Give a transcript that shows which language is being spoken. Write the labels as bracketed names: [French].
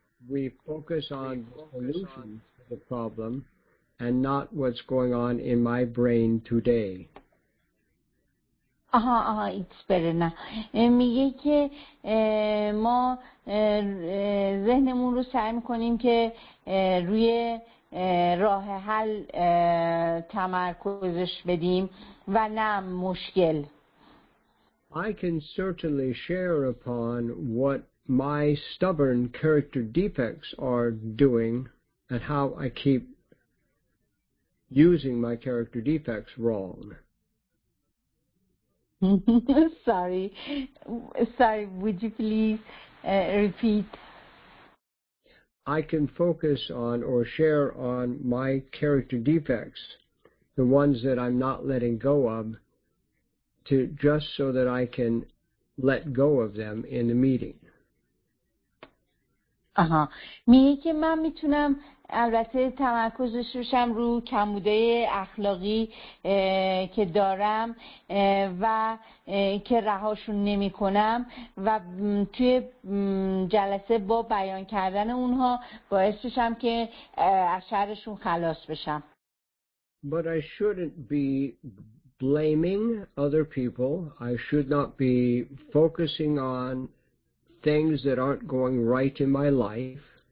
[English] We focus on the solution to the problem and not what's going on in my brain today. آها it's better now. [Persian] میگه که ما ذهنمون رو سعی میکنیم که روی راه حل تمرکزش بدیم و نه مشکل. [English] I can certainly share upon what my stubborn character defects are doing and how I keep using my character defects wrong. Sorry, would you please repeat? I can focus on or share on my character defects, the ones that I'm not letting go of, to just so that I can let go of them in the meeting. [Persian] آها میگه که من میتونم البته تمرکزش روشم رو کمبودهای اخلاقی که دارم و که رهاشون نمی کنم و توی جلسه با بیان کردن اونها باعث بشم که از شرشون خلاص بشم. [English] But I shouldn't be blaming other people. I should not be focusing on things that aren't going right in my life.